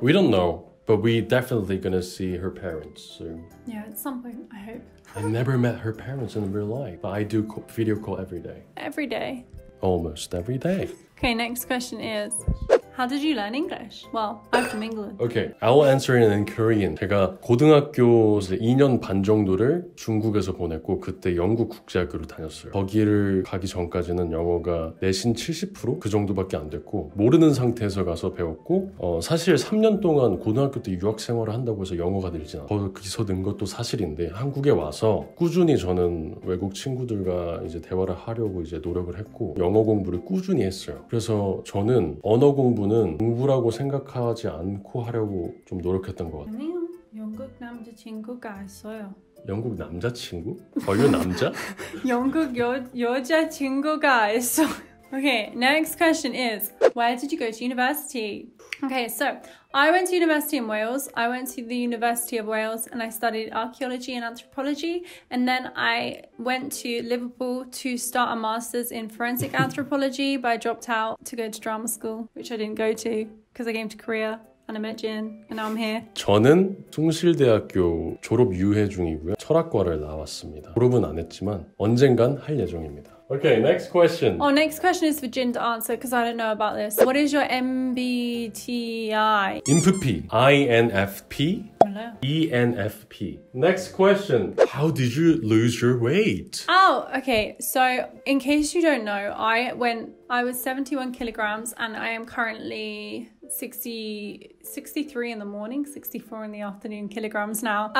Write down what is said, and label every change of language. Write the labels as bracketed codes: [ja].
[en] We don't know, but we're definitely going to see her parents soon. Yeah, at some point, I hope. I never met her parents in real life, but I do video call every day. Every day? Almost every day. Okay, next question is, how did you learn English? Well, I'm from England. Okay, I'll answer it in Korean. [ko] 제가 고등학교 2년 반 정도를 중국에서 보냈고 그때 영국 국제학교를 다녔어요. 거기를 가기 전까지는 영어가 내신 70% 그 정도밖에 안 됐고 모르는 상태에서 가서 배웠고 사실 3년 동안 고등학교 때 유학 생활을 한다고 해서 영어가 늘지 않아. 거기서 는 것도 사실인데 한국에 와서 꾸준히 저는 외국 친구들과 이제 대화를 하려고 이제 노력을 했고 영어 공부를 꾸준히 했어요. 그래서 저는 언어 공부는 공부라고 생각하지 않고 하려고 좀 노력했던 것 같아요. 영국 남자친구가 있어요. 영국 남자친구? 걸려 남자? 영국 여자친구가 있어요. [en] Okay, next question is, where did you go to university? Okay, so I went to university in Wales. I went to the University of Wales and I studied archaeology and anthropology. And then I went to Liverpool to start a master's in forensic anthropology, but I dropped out to go to drama school, which I didn't go to because I came to Korea. And I'm here. [ko] 저는 숭실대학교 졸업 유예 중이고요. 철학과를 나왔습니다. 졸업은 안 했지만 언젠간 할 예정입니다. [en] Okay, next question. Oh, next question is for Jin to answer because I don't know about this. What is your MBTI? INFP. INFP. Hello. ENFP. Next question. How did you lose your weight? Oh, okay. So, in case you don't know, I was 71 kilograms and I am currently 63 in the morning, 64 in the afternoon kilograms now.